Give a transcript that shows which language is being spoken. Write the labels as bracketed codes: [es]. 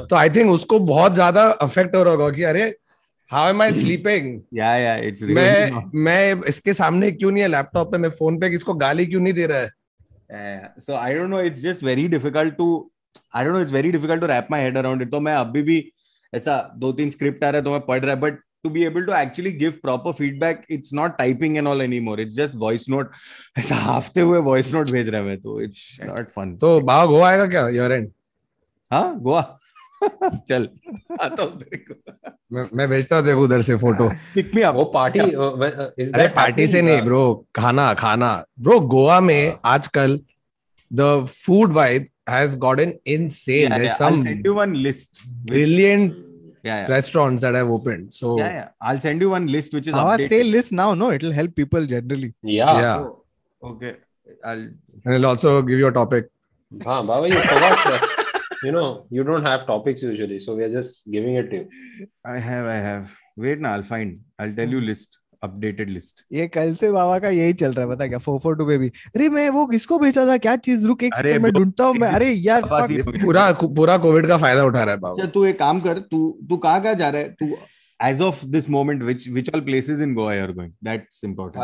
[hi] तो I think उसको बहुत ज्यादा अफेक्ट हो रहा होगा कि अरे [en] How am I sleeping. या it's really. [hi] मैं इसके सामने क्यों नहीं है लैपटॉप पे. मैं फोन पे किसको गाली क्यों नहीं दे रहा है. [en] So I don't know. It's just very difficult to wrap my head around it. [hi] तो मैं अभी भी ऐसा 2-3 स्क्रिप्ट आ रहा है तो मैं पढ़ रहा है. [en] But to be able to actually give proper feedback, it's not typing and all anymore. It's just voice note. [hi] ऐसा हफ्ते हुए voice note भेज रहा हूँ. [en] तो it's not fun. [hi] तो बाबा गोवा आएगा क्या [en] your end? [hi] हाँ गोवा. चल आता हूँ तेरे को. मैं भेजता हूँ तेरे को उधर से फोटो. [en] pick me up. [hi] वो पार्टी. अरे पार्टी से नहीं ब्रो. खाना ब्रो. गोवा में आजकल [en] the food vibe has gotten insane. Yeah, there's some. I'll send you one list. Brilliant. Yeah, restaurants that I've opened. So I'll send you one list which is updated. Say list now. No, it'll help people generally. Yeah. So, okay. I'll also give you a topic. Baba, you forgot. You know, you don't have topics usually, so we are just giving it to you. I have. Wait, I'll find. I'll tell you list. Updated list. [hi] ये कल से बाबा का यही चल रहा है, पता क्या 442 बेबी. अरे मैं वो किसको बेचा था, क्या चीज, रुक एक सेकंड मैं ढूंढता हूं मैं. अरे यार पूरा पूरा कोविड का फायदा उठा रहा है बाबा. तू एक काम कर, तू कहां कहां जा रहा है तू [en] As of this moment, which all places in Goa are going, that's important.